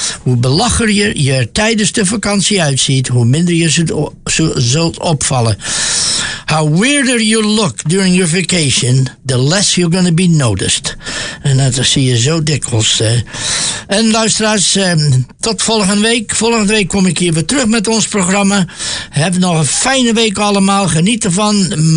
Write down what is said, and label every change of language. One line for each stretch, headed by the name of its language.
Dutch: Hoe belachelijker je er tijdens de vakantie uitziet, hoe minder je zult opvallen.
English: How weirder you look during your vacation, the less you're going to be noticed.
Dutch: En dat zie je zo dikwijls. En luisteraars, tot volgende week. Volgende week kom ik hier weer terug met ons programma. Heb nog een fijne week allemaal. Geniet ervan.